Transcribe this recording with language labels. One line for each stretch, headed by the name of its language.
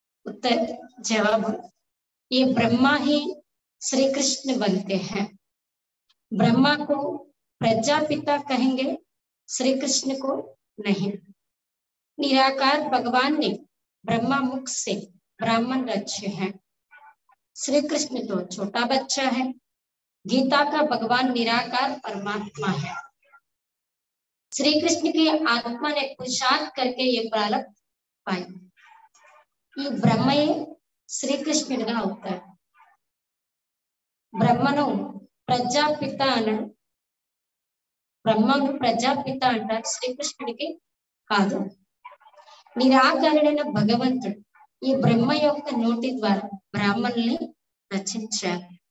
Hindi: ఉత్తర జవాబు, ఈ బ్రహ్మహి శ్రీకృష్ణ బంతే హై. ब्रह्मा को प्रजापिता कहेंगे, श्री कृष्ण को नहीं। निराकार भगवान ने ब्रह्मा मुख से ब्राह्मण रचे हैं। श्री कृष्ण तो छोटा बच्चा है। गीता का भगवान निराकार परमात्मा है। श्री कृष्ण की आत्मा ने पुरुषार्थ करके ये बालक पाए। ये ब्रह्म श्री कृष्ण का उत्तर।
Telugu: ब्रह्मनो ప్రజాపిత అన్నాడు, బ్రహ్మను ప్రజాపిత అంటారు శ్రీకృష్ణుడికి కాదు. నిరాకరణైన భగవంతుడు ఈ బ్రహ్మ యొక్క నోటి ద్వారా బ్రాహ్మణుల్ని రచించారు.